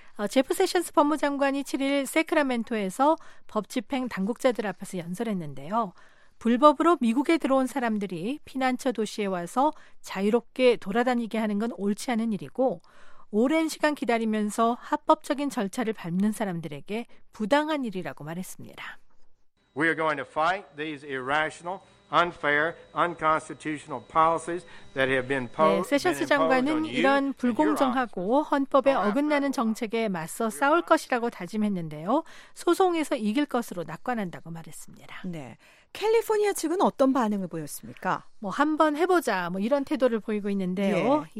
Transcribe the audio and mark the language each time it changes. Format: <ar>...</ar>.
<ko>제프 세션스 법무장관이 7일 세크라멘토에서 법집행 당국자들 앞에서 연설했는데요. 불법으로 미국에 들어온 사람들이 피난처 도시에 와서 자유롭게 돌아다니게 하는 건 옳지 않은 일이고 오랜 시간 기다리면서 합법적인 절차를 밟는 사람들에게 부당한 일이라고 말했습니다.</ko> <en>We are going to fight these irrational, unfair, unconstitutional policies that have been posed.</en> <ko>네, 세션스 장관은 이런 불공정하고 헌법에 어긋나는 정책에 맞서 싸울 것이라고 다짐했는데요. 소송에서 이길 것으로 낙관한다고 말했습니다. 네. 캘리포니아 측은 어떤 반응을 보였습니까? 뭐 한번 해보자 뭐 이런 태도를 보이고 있는데요. 예.</ko>